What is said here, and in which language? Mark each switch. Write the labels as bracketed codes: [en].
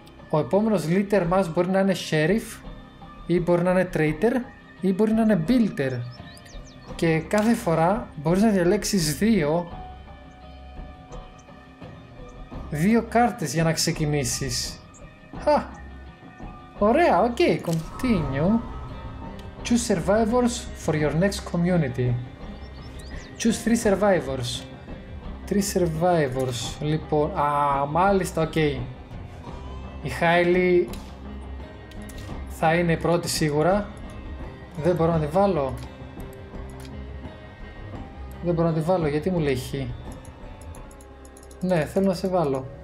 [el] Ο επόμενος leader μας μπορεί να είναι sheriff ή μπορεί να είναι traitor ή μπορεί να είναι builder. Και κάθε φορά μπορείς να διαλέξεις δύο κάρτες για να ξεκινήσεις. Χα! Ωραία, [en] ok, continue. Choose survivors for your next community. Choose three survivors. Three survivors, λοιπόν. [el] Α, μάλιστα, ok. Η Χάιλι θα είναι η πρώτη σίγουρα. Δεν μπορώ να τη βάλω. Δεν μπορώ να τη βάλω, γιατί μου λέει χει. Ναι, θέλω να σε βάλω.